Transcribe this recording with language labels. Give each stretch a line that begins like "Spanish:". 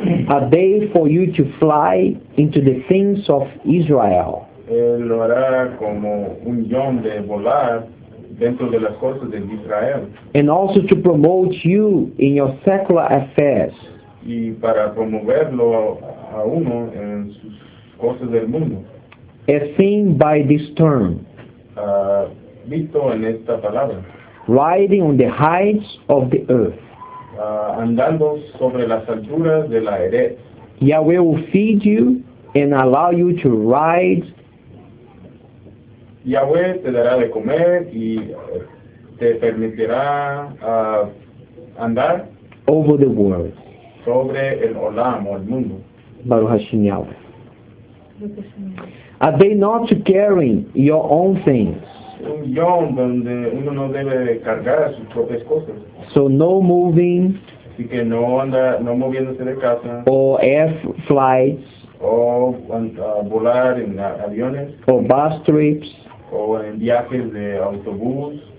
English: A day for you to fly into the things of Israel.
Spanish: Él lo hará como un yom de volar dentro de las cosas de Israel.
English: And also to promote you in your secular affairs.
Spanish: Y para promoverlo a uno en sus cosas del mundo.
English: As seen by this term.
Spanish: Visto en esta palabra.
English: Riding on the heights of the earth.
Spanish: Andando sobre las alturas de la eres.
English: Yahweh will feed you and allow you to ride.
Spanish: Yahweh te dará de comer y te permitirá andar.
English: Over the world.
Spanish: Sobre el olam, o el mundo.
Hebrew: Baruch Hashem Yahweh.
English: A day not to carry your own things.
Spanish: Un yom donde uno no debe cargar sus propias cosas.
English: So no moving.
Spanish: Así que no anda, no moviéndose de casa.
English: Or air flights.
Spanish: O volar en aviones.
English: Or bus trips.
Spanish: O en viajes de autobús.